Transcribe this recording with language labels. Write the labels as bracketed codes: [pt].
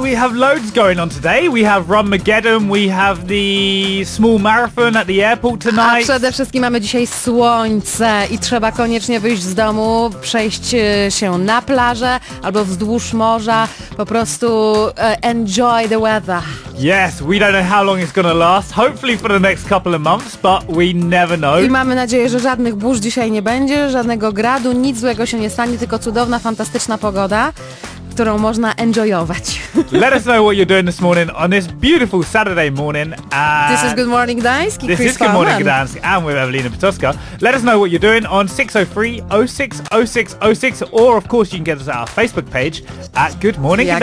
[en] We have loads going on today. We have Runmageddon, we have the small marathon at the airport tonight. [pl] A przede wszystkim mamy dzisiaj słońce i trzeba koniecznie wyjść z domu, przejść się na plażę albo wzdłuż morza, po prostu [en] enjoy the weather. Yes, we don't know how long it's gonna last. Hopefully for the next couple of months, but we never know. [pl] I mamy nadzieję, że żadnych burz dzisiaj nie będzie, żadnego gradu, nic złego się nie stanie, tylko cudowna, fantastyczna pogoda, którą można enjoyować. [en] Let us know what you're doing this morning on this beautiful Saturday morning. This is Good Morning Gdańsk. This Chris is Good Morning Gdańsk, and with Ewelina Potocka. Let us know what you're doing on 603-06-06-06, or of course you can get us at our Facebook page at Good Morning Gdańsk.